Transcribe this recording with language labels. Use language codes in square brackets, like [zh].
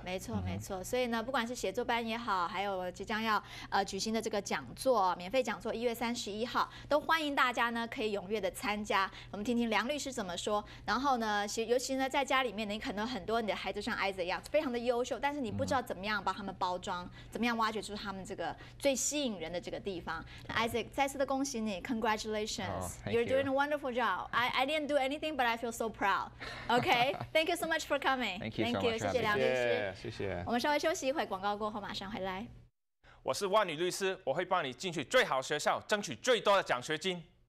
[zh] 没错没错，所以呢，不管是写作班也好，还有即将要举行的这个讲座，免费讲座1月31号，都欢迎大家呢可以踊跃的参加。我们听听梁律师怎么说。然后呢，尤其呢在家里面，你可能很多你的孩子像 Isaac 一样非常的优秀，但是你不知道怎么样把他们包装，怎么样挖掘出他们这个最吸引人的这个地方。 Isaac 再次的恭喜。 [en] Congratulations. Oh, you're doing a wonderful job. I didn't do anything, but I feel so proud. Okay, thank you so much for coming. Thank you so much. Thank you. [zh] 谢谢梁律师。谢谢。我们稍微休息一会，广告过后马上回来。我是万里律师，我会帮你进去最好学校，争取最多的奖学金。